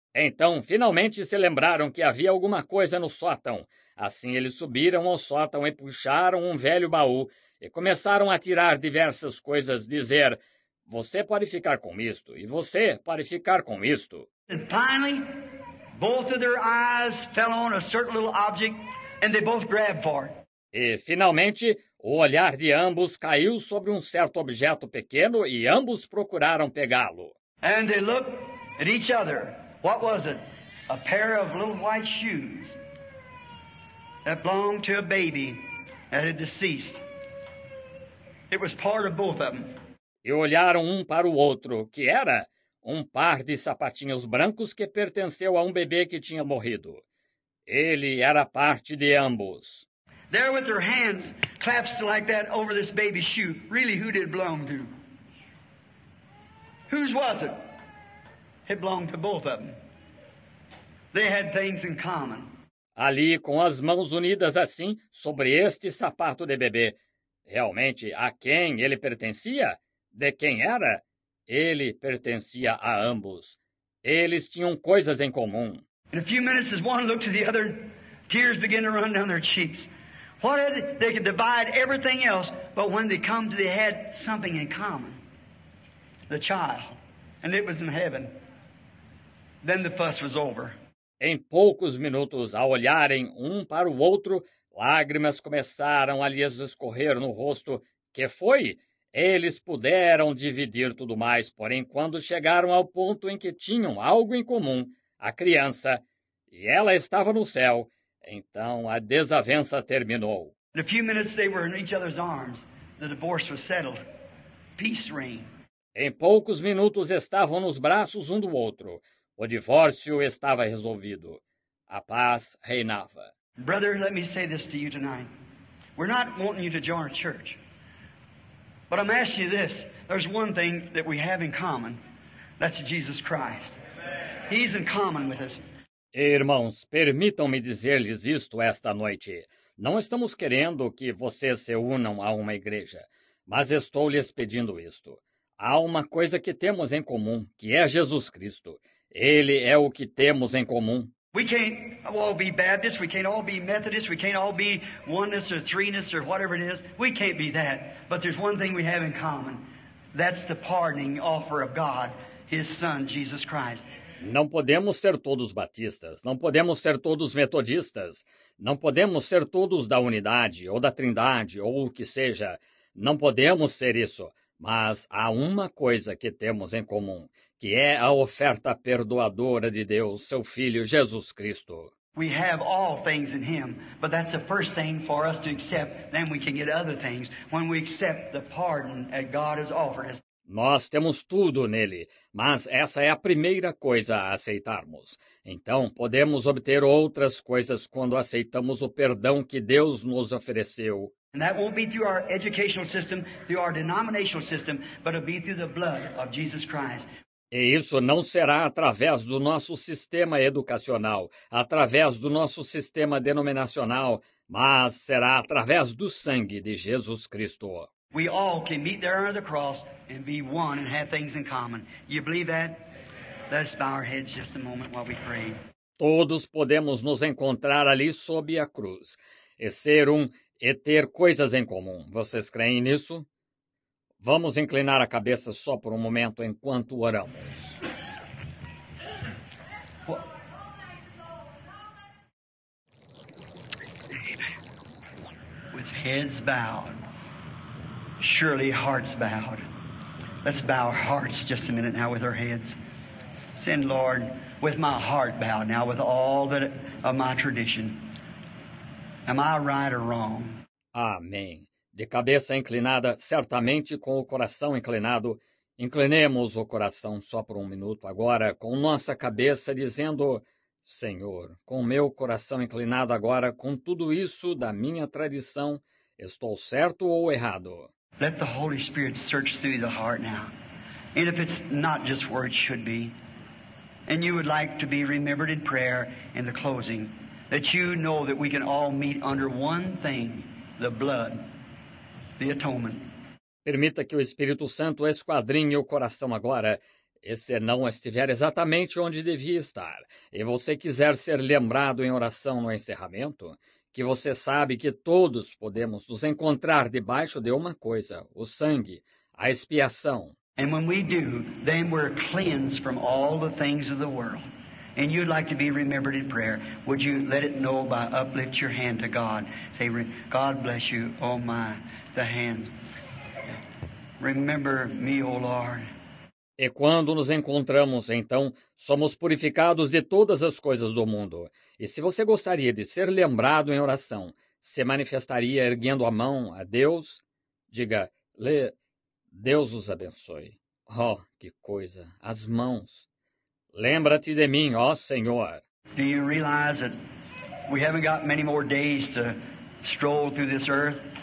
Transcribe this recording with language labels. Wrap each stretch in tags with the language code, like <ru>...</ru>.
<pt>Então finalmente se lembraram que havia alguma coisa no sótão. Assim eles subiram ao sótão e puxaram um velho baú e começaram a tirar diversas coisas, dizer, você pode ficar com isto, e você pode ficar com isto.</pt> <en>And finally, both of their eyes fell on a certain little object, and they both grabbed for it.</en> <pt>E finalmente, o olhar de ambos caiu sobre um certo objeto pequeno, e ambos procuraram pegá-lo.</pt> <en>And they looked at each other. What was it? A pair of little white shoes that belonged to a baby that had deceased. It was part of both of them.</en> <pt>E olharam um para o outro, que era um par de sapatinhos brancos que pertenceu a um bebê que tinha morrido. Ele era parte de ambos.</pt> <en>There with their hands clasped like that over this baby's shoe. Really, who did it belong to? Whose was it? It belonged to both of them. They had things in common.</en> <pt>Ali, com as mãos unidas assim, sobre este sapato de bebê, realmente, a quem ele pertencia? De quem era? Ele pertencia a ambos. Eles tinham coisas em comum.</pt> <en>In a few minutes, as one looked to the other, tears began to run down their cheeks. What had they could divide everything else, but when they come to they had something in common. The child. And it was in heaven. Then the fuss was over.</en> <pt>Em poucos minutos, ao olharem um para o outro, lágrimas começaram a lhes escorrer no rosto. Que foi? Eles puderam dividir tudo mais, porém, quando chegaram ao ponto em que tinham algo em comum, a criança, e ela estava no céu, então a desavença terminou.</pt> <en>In a few minutes they were in each other's arms. The divorce was settled. Peace reigned.</en> <pt>Em poucos minutos estavam nos braços um do outro. O divórcio estava resolvido. A paz reinava.</pt> <en>Brother, let me say this to you tonight. We're not wanting you to join a church. But I'm asking you this, there's one thing that we have in common, that's Jesus Christ. He's in common with us.</en> <pt>Irmãos, permitam-me dizer-lhes isto esta noite. Não estamos querendo que vocês se unam a uma igreja, mas estou-lhes pedindo isto. Há uma coisa que temos em comum, que é Jesus Cristo. Ele é o que temos em comum.</pt> <en>We can't all be Baptists, we can't all be Methodists, we can't all be oneness or threeness or whatever it is. We can't be that. But there's one thing we have in common. That's the pardoning offer of God, His Son, Jesus Christ.</en> <pt>Não podemos ser todos Batistas, não podemos ser todos Metodistas, não podemos ser todos da Unidade ou da Trindade ou o que seja. Não podemos ser isso. Mas há uma coisa que temos em comum, que é a oferta perdoadora de Deus, seu Filho Jesus Cristo.</pt> <en>We have all things in Him, but that's the first thing for us to accept. Then we can get other things when we accept the pardon that God has offered us.</en> <pt>Nós temos tudo nele, mas essa é a primeira coisa a aceitarmos. Então, podemos obter outras coisas quando aceitamos o perdão que Deus nos ofereceu.</pt> <en>And that won't be through our educational system, through our denominational system, but it'll be through the blood of Jesus Christ.</en> <pt>E isso não será através do nosso sistema educacional, através do nosso sistema denominacional, mas será através do sangue de Jesus Cristo.</pt> <en>We all can meet there under the cross and be one and have things in common. You believe that? Let us bow our heads just a moment while we pray.</en> <pt>Todos podemos nos encontrar ali sob a cruz e ser um e ter coisas em comum. Vocês creem nisso? Vamos inclinar a cabeça só por um momento enquanto oramos.</pt> <en>With heads bowed, surely hearts bowed. Let's bow our hearts just a minute now with our heads. Send, Lord, with my heart bowed now, with all that of my tradition. Am I right or wrong?</en> <pt>Amém. De cabeça inclinada, certamente com o coração inclinado, inclinemos o coração só por um minuto agora, com nossa cabeça dizendo, Senhor, com meu coração inclinado agora, com tudo isso da minha tradição, estou certo ou errado?</pt> <en>Let the Holy Spirit search through the heart now, and if it's not just where it should be, and you would like to be remembered in prayer in the closing, that you know that we can all meet under one thing, the blood. The atonement.</en> <pt>Permita que o Espírito Santo esquadrinhe o coração agora, e se não estiver exatamente onde devia estar, e você quiser ser lembrado em oração no encerramento, que você sabe que todos podemos nos encontrar debaixo de uma coisa, o sangue, a expiação.</pt> <en>And when we do, then we're cleansed from all the things of the world. And you'd like to be remembered in prayer, would you let it know by uplift your hand to God? Say, God bless you, oh my, the hands. Remember me, oh Lord.</en> <pt>E quando nos encontramos, então, somos purificados de todas as coisas do mundo. E se você gostaria de ser lembrado em oração, se manifestaria erguendo a mão a Deus? Diga, Lê, Deus os abençoe. Oh, que coisa, as mãos. Lembra-te de mim, ó Senhor.</pt> <en>Do you realize that we haven't got many more days to stroll through this earth?</en>